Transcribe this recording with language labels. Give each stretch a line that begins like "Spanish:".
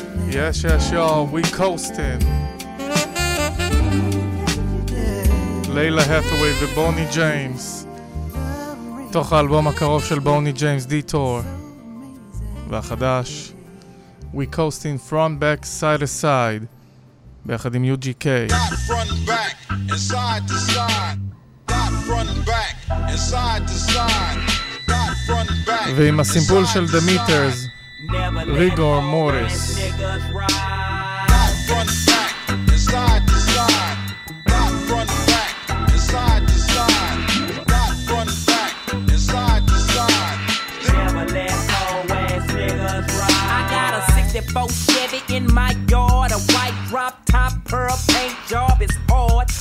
English: Yes, yes, y'all, we coasting.
Hebrew: לילה הת'וויי ובוני ג'יימס, תוך האלבום הקרוב של בוני ג'יימס דיטור והחדש, We Coasting Front Back Side to Side ביחד עם UGK.
English: Got front and back and side to side. Got front and back and side to side. Got front and back.
Hebrew: ועם הסימפול של The Meters, ריגור מוריס.
English: Got front and back and side to side. Got front and back and side to side. Got front and back and side to side. Never let old ass niggas ride. I got a 64 Chevy in my yard. A white drop top pearl paint job is hard.